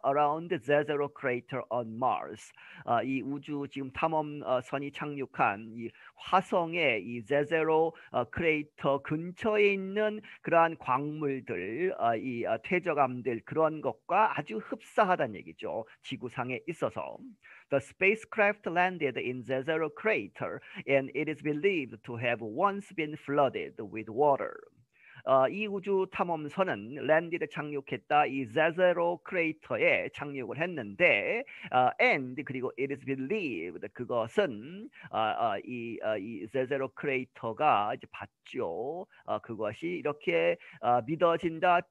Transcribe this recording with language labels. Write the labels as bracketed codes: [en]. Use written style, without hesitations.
[en] Around the Zero Crater on Mars. [ko] 이 우주 지금 탐험선이 착륙한 이 화성의 이 Zero Crater 근처에 있는 그러한 광물들, 이 퇴적암들 그런 것과 아주 흡사하다는 얘기죠. 지구상에 있어서. [en] The spacecraft landed in Zero Crater, and it is believed to have once been flooded with water. [ko] 이 우주 탐험선은 랜디를 착륙했다. 이 제제로 크레이터에 착륙을 했는데, and 그리고 [en] it is believed [ko] 그것은 이 제제로 크레이터가 이제 봤죠. 그것이 이렇게 믿어진다.